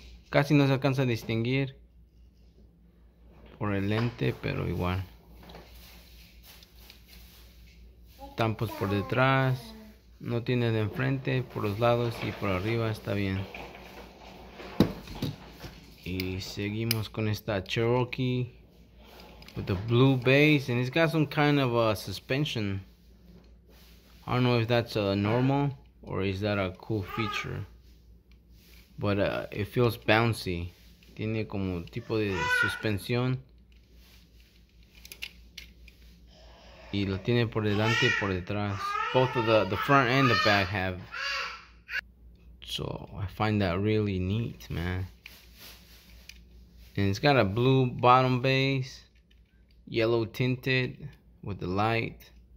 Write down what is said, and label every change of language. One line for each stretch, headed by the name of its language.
Spanish: Casi no se alcanza a distinguir por el lente, pero igual. Tampos por detrás, no tiene de enfrente, por los lados y por arriba está bien. Y seguimos con esta
English: Cherokee with the blue base, and it's got some kind of a suspension. I don't know if that's a normal. Or is that a cool feature? But it feels bouncy.
Spanish: Tiene como tipo de suspensión. Y lo tiene por delante y por detrás.
English: Both of the front and the back have. So I find that really neat, man. And it's got a blue bottom base, yellow tinted with the light.